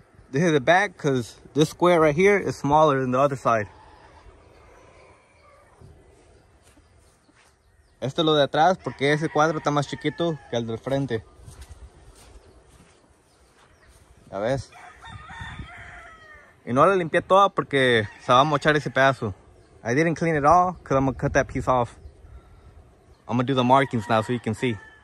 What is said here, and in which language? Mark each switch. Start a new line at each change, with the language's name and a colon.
English: this is the back, because this square right here is smaller than the other side.
Spanish: Este es lo de atrás, porque ese cuadro está más chiquito que el del frente. ¿Ya ves? Y no la limpié toda porque se va a mochar ese pedazo.
English: I didn't clean it all, because I'm going to cut that piece off. I'm going to do the markings now so you can see.